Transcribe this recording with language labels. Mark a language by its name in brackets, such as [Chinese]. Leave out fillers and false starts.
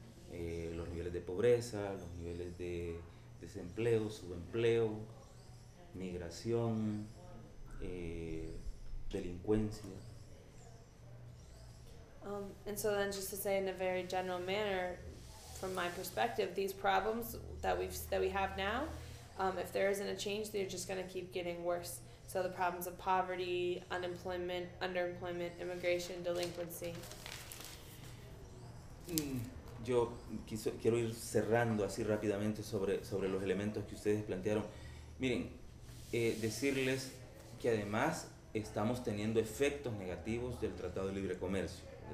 [Spanish] Los niveles de pobreza, los niveles de desempleo, subempleo, migración, delincuencia. [English] And so then just to say in a very general manner, from my perspective, these problems that we have now, if there isn't a change, they're just going to keep getting worse. So the problems of poverty, unemployment, underemployment, immigration, delinquency. [Spanish] Yo quiero ir cerrando así rápidamente sobre los elementos que ustedes plantearon. Miren, decirles que además estamos teniendo efectos negativos del Tratado de Libre Comercio.